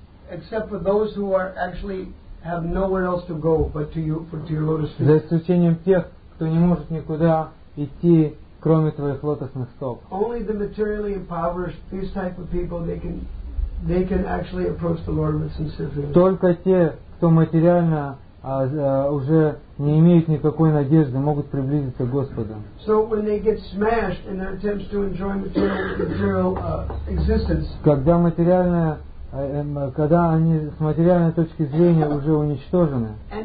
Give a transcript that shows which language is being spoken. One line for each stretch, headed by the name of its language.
English: Except for those who are actually have nowhere else to go but to you, for to your lotus feet.
Russian: За исключением тех, кто не может никуда идти, кроме твоих лотосных стоп.
English: Only the materially impoverished, these type of people, they can actually approach the Lord with sincere feelings.
Russian: Только те, кто материально уже не имеют никакой надежды, могут приблизиться к Господу.
English: So when they get smashed in their attempts to enjoy material existence.
Russian: Когда материальное когда они с материальной точки зрения уже уничтожены.